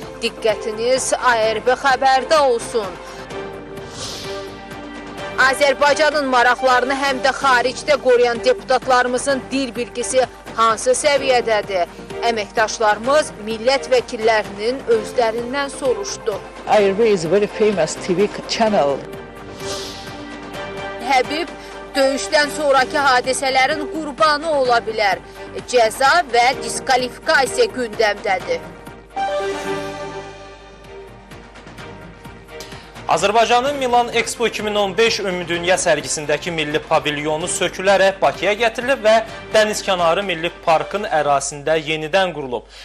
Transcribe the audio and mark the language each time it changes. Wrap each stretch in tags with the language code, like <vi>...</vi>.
<az>Diqqətiniz ARB xəbərdə olsun. Azərbaycanın maraqlarını həm də xaricdə qoruyan deputatlarımızın dil bilgisi hansı səviyyədədir? Əməkdaşlarımız millət vəkillərinin özlərindən soruşdu.</az> <en>ARB is very famous TV channel.</en> <az>Həbib döyüşdən sonrakı hadisələrin qurbanı ola bilər. Cəza və diskalifikasiya gündəmdədir. Azərbaycanın Milan Expo 2015 Ümumdünya sərgisindəki milli pavilyonu sökülərək Bakıya gətirilib və Dəniz kənarı Milli Parkın ərazisində yenidən qurulub.</az>